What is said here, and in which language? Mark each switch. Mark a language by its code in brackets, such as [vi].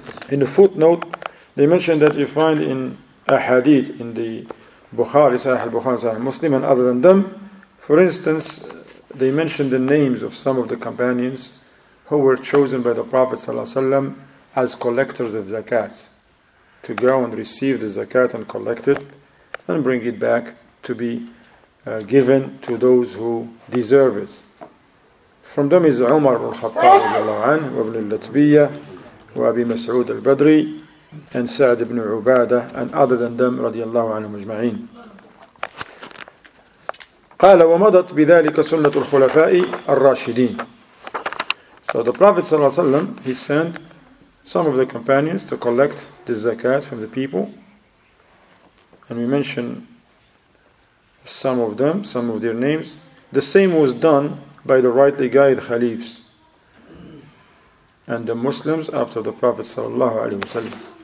[en] In the footnote, they mention that you find in a hadith in the Bukhari, Sahih al-Bukhari, Sahih al-Muslim, and other than them, for instance, they mention the names of some of the companions who were chosen by the Prophet ﷺ as collectors of zakat, to go and receive the zakat and collect it and bring it back to be given to those who deserve it. From them is Umar ibn al-Khattab radiallahu anhu, ibn al-Latbiyya, Abi Mas'ud al-Badri, and Sa'd ibn Ubadah, and other than them [ar] radiallahu anhu majma'in. قال ومضت بذلك سنة الخلفاء الراشدين. [en] So the Prophet [ar] صلى الله عليه وسلم, [en] he sent some of the companions to collect the zakat from the people. And we mention some of them, some of their names. The same was done by the rightly guided khalifs and the Muslims after the Prophet [ar] sallallahu alaihi wasallam.